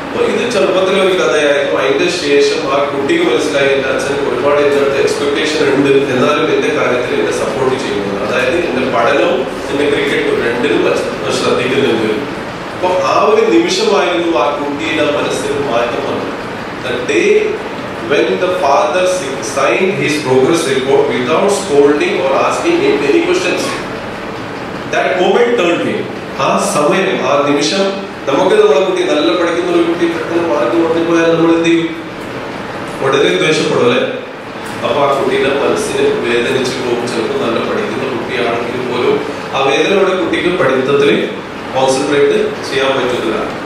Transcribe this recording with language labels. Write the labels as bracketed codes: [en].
[ml] ഇത് ചെറുപ്പത്തിലെ ഒരു കഥയായിരുന്നു. അതിന്റെ ശേഷം ആ കുട്ടിക്ക് മനസ്സിലായി എന്റെ അച്ഛൻ ഒരുപാട് എന്റെ എക്സ്പെക്ടേഷൻ ഉണ്ട്, എന്നാലും എന്റെ കാര്യത്തിൽ എന്നെ സപ്പോർട്ട് ചെയ്യുന്നത്, അതായത് എന്റെ പഠനവും എന്റെ ക്രിക്കറ്റും രണ്ടിനും ശ്രദ്ധിക്കുന്നുണ്ട്. അപ്പൊ ആ ഒരു നിമിഷമായിരുന്നു ആ കുട്ടിയുടെ മനസ്സിൽ മാറ്റം വന്നത്. [en] The day when the father signed his progress report without scolding or asking him any questions, that moment turned him. [ml] ആ സമയം ആ നിമിഷം നമുക്ക് നമ്മളെ കുട്ടി നല്ല പഠിക്കുന്ന ഒരു കുട്ടി പെട്ടെന്ന് മാറ്റി മാറ്റി പോയാൽ നമ്മൾ എന്ത് ചെയ്യും? വളരെ ദ്വേഷപ്പെടല്ലേ. അപ്പൊ ആ കുട്ടിയുടെ മനസ്സിന് വേദനിച്ചു പോകും. ചിലപ്പോൾ നല്ല പഠിക്കുന്ന കുട്ടിയാണെങ്കിൽ പോലും ആ വേദന അവിടെ കുട്ടിക്ക് പഠിത്തത്തിൽ കോൺസെൻട്രേറ്റ് ചെയ്യാൻ പറ്റുന്നില്ല.